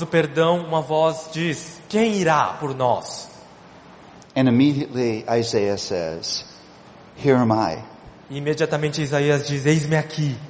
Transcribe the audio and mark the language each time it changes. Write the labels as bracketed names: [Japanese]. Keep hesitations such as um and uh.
[Portuguese] do perdão, uma voz diz, "Quem irá por nós?" [English] And immediately Isaiah says, "Here am I." [Portuguese] E imediatamente Isaías diz, "Eis-me aqui."